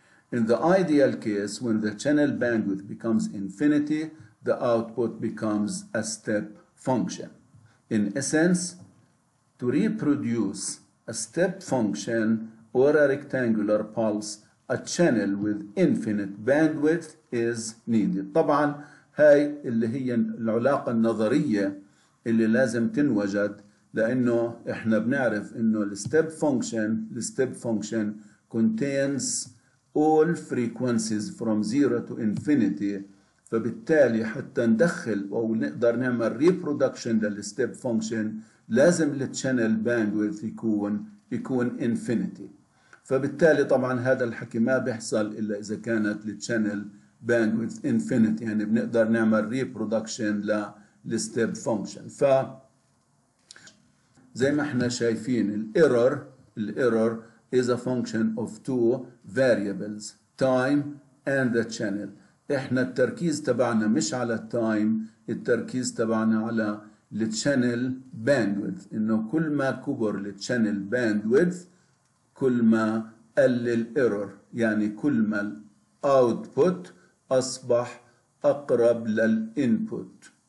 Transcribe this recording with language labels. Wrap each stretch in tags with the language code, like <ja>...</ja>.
<en>In the ideal case, when the channel bandwidth becomes infinity, the output becomes a step function. In essence, to reproduce a step function or a rectangular pulse a channel with infinite bandwidth is needed.</en> <ar>طبعا هاي اللي هي العلاقة النظرية اللي لازم تنوجد، لأنه إحنا بنعرف إنه الستيب فونكشن</ar> <en>contains all frequencies from zero to infinity.</en> <ar>فبالتالي حتى ندخل أو نقدر نعمل reproduction للستيب فونكشن لازم التشانل باندويث يكون infinity. فبالتالي طبعا هذا الحكي ما بيحصل إلا إذا كانت التشانل باندويث infinity، يعني بنقدر نعمل reproduction للستيب فونكشن. ف زي ما احنا شايفين الايرور</ar> <en>is a function of two variables, time and the channel.</en> <ar>احنا التركيز تبعنا مش على التايم، التركيز تبعنا على التشانل باندويث، انه كل ما كبر التشانل باندويث كل ما قل الايرور، يعني كل ما الاوتبوت اصبح اقرب للانبوت.</ar>